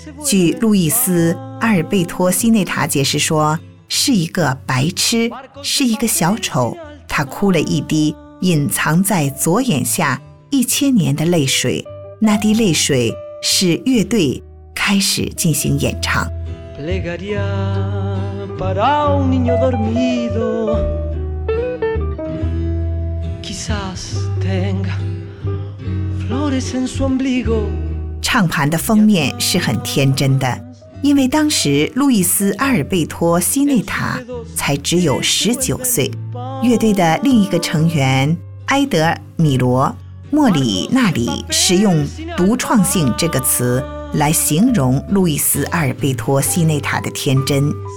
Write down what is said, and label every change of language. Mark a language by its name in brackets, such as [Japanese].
[Chinese] 据路易斯·阿尔贝托·西内塔解释说，是一个白痴，是一个小丑，他哭了一滴隐藏在左眼下1000年的泪水，那滴泪水使乐队开始进行演唱。 [Spanish] Plegaria para un niño dormido, quizás tenga flores en su ombligo。 [Chinese] 唱盘的封面是很天真的，因为当时路易斯·阿尔贝托·西内塔才只有19岁。乐队的另一个成员埃德·米罗·莫里纳里使用独创性这个词来形容路易斯·阿尔贝托·西内塔的天真。